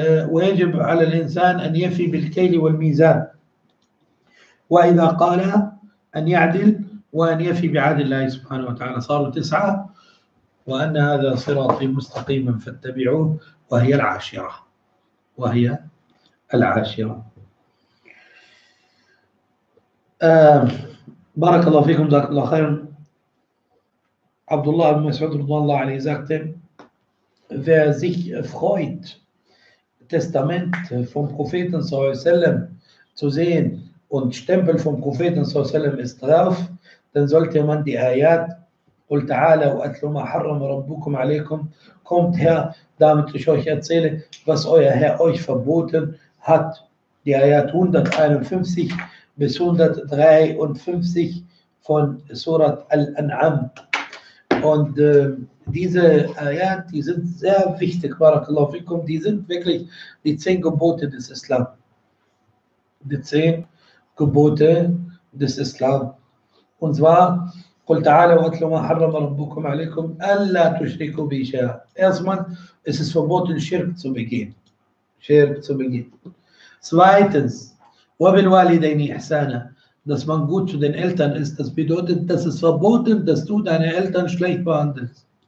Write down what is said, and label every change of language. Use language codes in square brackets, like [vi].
[ar] ويجب على الإنسان أن يفي بالكيل والميزان، وإذا قال أن يعدل وأن يفي بعدل الله سبحانه وتعالى. صاروا تسعة، وأن هذا صراطي مستقيما فاتبعوه، وهي العاشرة، وهي العاشرة. بارك الله فيكم، جزاكم الله خيرا. [de] عبد الله بن مسعود رضي الله عنه sagte, wer sich freut, Testament vom Propheten sallallahu alaihi wasallam zu sehen und Stempel vom Propheten sallallahu alaihi wasallam ist drauf, dann sollte man die Ayat [ar] قل تعالى واتل ما حرم ربكم عليكم, [de] kommt her, damit ich euch erzähle, was euer Herr euch verboten hat. Die Ayat 151 bis 153 von Surat Al-An'am. Und diese Ayat, die sind sehr wichtig, Barakallahu fikum, die sind wirklich die 10 Gebote des Islam. Die 10 Gebote des Islam. Und zwar, [ar] قُلْ تَعَالَ وَأَتْلُ مَا حَرَّمَ رَبُّكُمْ عَلَيْكُمْ أَلَّا تُشْرِكُوا بِهِ شَيْئًا. [de] Erstmal, es ist verboten, Schirk zu begehen. Schirk zu begehen. Zweitens, [ar] وَبِالْوَالِدَيْنِ إِحْسَانًا, [de] dass man gut zu den Eltern ist, das bedeutet, dass es verboten, dass du deine Eltern schlecht behandelst.